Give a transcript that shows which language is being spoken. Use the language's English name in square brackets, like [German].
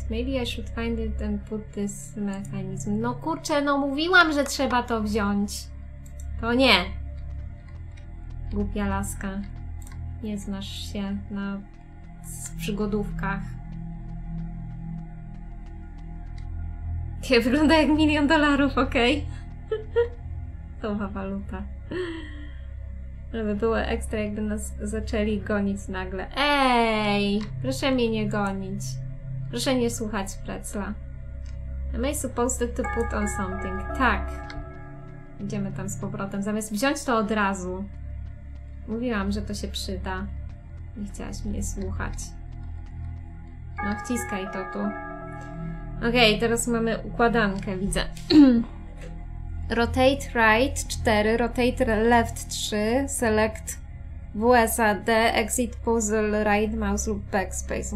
[English] Maybe I should find it and put this mechanism. [Polish] No kurczę, no mówiłam, że trzeba to wziąć. To nie. Głupia laska. Nie znasz się na przygodówkach. Ja wygląda jak milion dolarów, okej? Okay? Nowa waluta. Ale by było ekstra, jakby nas zaczęli gonić nagle. Ej! Proszę mnie nie gonić. Proszę nie słuchać Fretzla. [English] Am I supposed to put on something? [Polish] Tak. Idziemy tam z powrotem. Zamiast wziąć to od razu. Mówiłam, że to się przyda. Nie chciałaś mnie słuchać. No, wciskaj to tu. Okej, okay, teraz mamy układankę, widzę. [English] Rotate right 4, rotate left 3, select WSAD, exit puzzle, right mouse lub backspace.